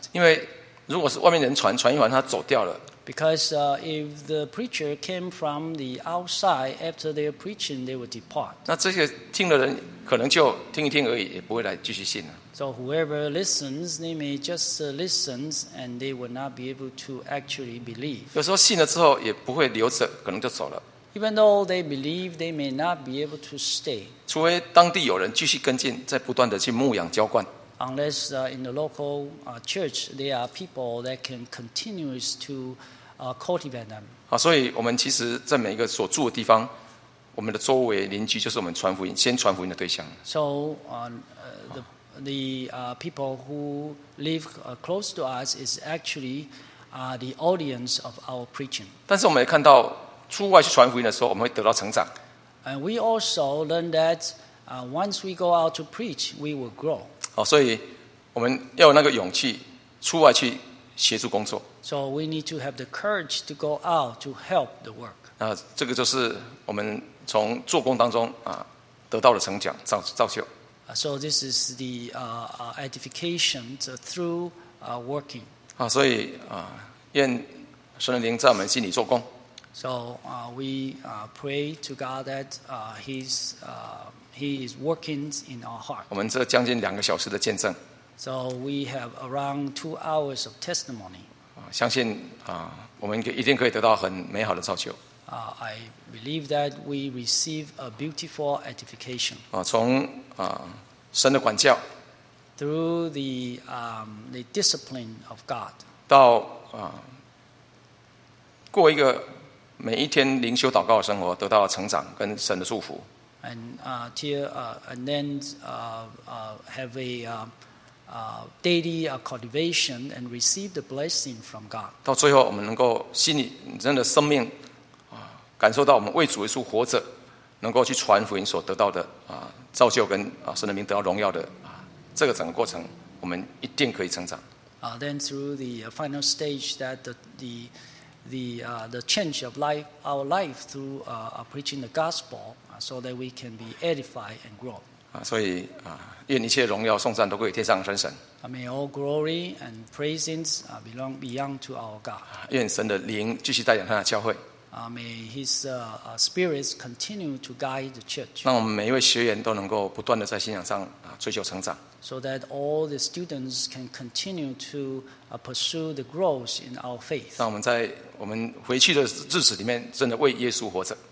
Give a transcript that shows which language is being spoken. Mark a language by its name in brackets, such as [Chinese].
[Chinese] 因为如果是外面人传，传一传他走掉了。 [English] Because if the preacher came from the outside after their preaching, they would depart. [Chinese] 那这些听的人可能就听一听而已，也不会来继续信了。 [English] So whoever listens, they may just listen, and they will not be able to actually believe. [Chinese] 有时候信了之后也不会留着，可能就走了。 [English] Even though they believe, they may not be able to stay. [Chinese] 除非当地有人继续跟进，在不断的去牧养浇灌。 [English] Unless in the local church, there are people that can continue to cultivate them. [Chinese] 好，所以我们其实在每一个所住的地方，我们的周围邻居就是我们传福音，先传福音的对象。 [English] So the people who live close to us is actually the audience of our preaching. [Chinese] 但是我们也看到出外去传福音的时候，我们会得到成长。 [English] And we also learn that once we go out to preach, we will grow. [Chinese] 好，所以我们要有那个勇气出外去协助工作。 [English] So we need to have the courage to go out to help the work. [Chinese] 那这个就是我们从做工当中得到的成长造就。 [English] So this is the edification through working. [Chinese] 好，所以愿神灵在我们心里做工。 [English] So we pray to God that He is working in our heart. [Chinese] 我们这将近两个小时的见证。 [English] So we have around 2 hours of testimony. [Chinese] 相信我们一定可以得到很美好的造就。 [English] I believe that we receive a beautiful edification. [Chinese] 从神的管教。 [English] Through the discipline of God. [Chinese] 到过一个。每一天灵修祷告的生活得到了成长跟神的祝福。到最后我们能够心里真的生命感受到我们为主耶稣活着，能够去传福音所得到的造就跟神的名得到荣耀的这个整个过程，我们一定可以成长。 [English] Then through the final stage that the change of life, our life through preaching the gospel, so that we can be edified and grow. [Chinese] 所以愿一切荣耀颂赞都归于天上真神。 [English] May all glory and praises belong to our God. [Chinese] 愿神的灵继续带领他的教会。 [English] May His spirit continue to guide the church. [Chinese] 让我们每一位学员都能够不断的在信仰上追求成长。 [English] So that all the students can continue to pursue the growth in our faith. [Chinese] 让我们在我们回去的日子里面，真的为耶稣活着。